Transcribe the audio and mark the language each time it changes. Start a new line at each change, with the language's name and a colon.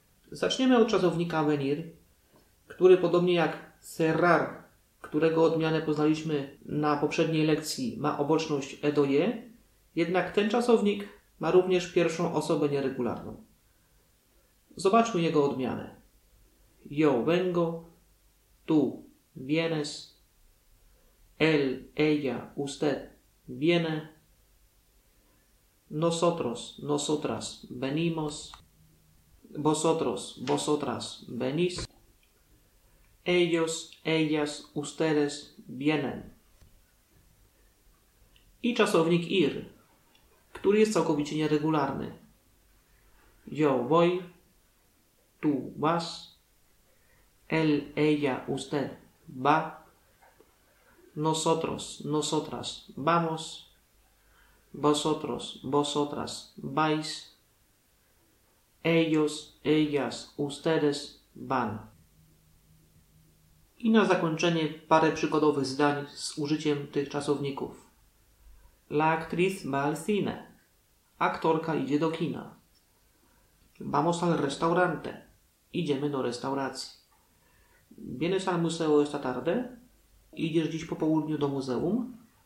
Polish: Zaczniemy od czasownika venir, który podobnie jak serrar, którego odmianę poznaliśmy na poprzedniej lekcji, ma oboczność e do je, jednak ten czasownik ma również pierwszą osobę nieregularną. Zobaczmy jego odmianę.
Spanish: Yo vengo, tu vienes, él, ella, usted viene, nosotros, nosotras, venimos, vosotros, vosotras, venís, ellos, ellas, ustedes, vienen.
Polish: I czasownik ir, który jest całkowicie nieregularny.
Spanish: Yo voy, tú vas, él, ella, usted va, nosotros, nosotras, vamos, vosotros, vosotras, vais, ellos, ellas, ustedes, van.
Polish: I na zakończenie parę przykładowych zdań z użyciem tych czasowników.
Spanish: La actriz va al cine.
Polish: Aktorka idzie do kina.
Spanish: Vamos al restaurante.
Polish: Idziemy do restauracji.
Spanish: Vienes al museo esta tarde?
Polish: Idziesz dziś po południu do muzeum?